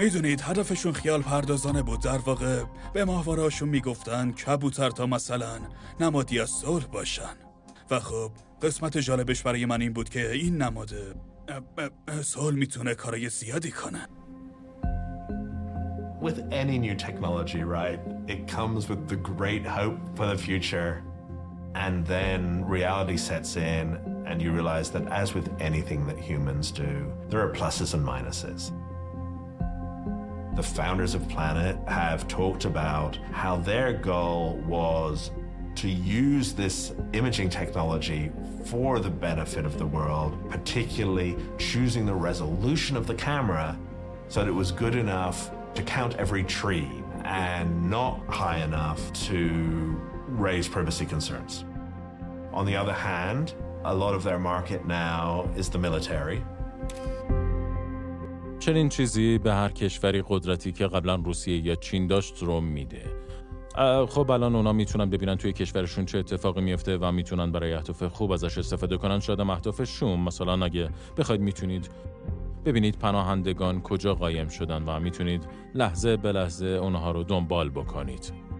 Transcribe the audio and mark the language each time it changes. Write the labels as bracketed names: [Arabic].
[Persian] میدونید هدفشون خیال پردازانه بود. در واقع به ماهواره‌هاشون میگفتن کبوتر تا مثلا نمادی از صلح باشن. و خب قسمت جالبش برای من این بود که این نماد صلح میتونه کارای زیادی کنه. [English] With any new technology, right, it comes with the great hope for the future. And then reality sets in and you realize that as with anything that humans do, there are pluses and minuses. The founders of Planet have talked about how their goal was to use this imaging technology for the benefit of the world, particularly choosing the resolution of the camera so that it was good enough to count every tree and not high enough to raise privacy concerns. On the other hand, a lot of their market now is the military. [Persian] چنین چیزی به هر کشوری قدرتی که قبلا روسیه یا چین داشت رو میده. خب الان اونا میتونن ببینن توی کشورشون چه اتفاقی میفته و میتونن برای اهداف خوب ازش استفاده کنن. شاید اهدافشون مثلا اگه بخواید میتونید ببینید پناهندگان کجا قایم شدن و میتونید لحظه به لحظه اونها رو دنبال بکنید.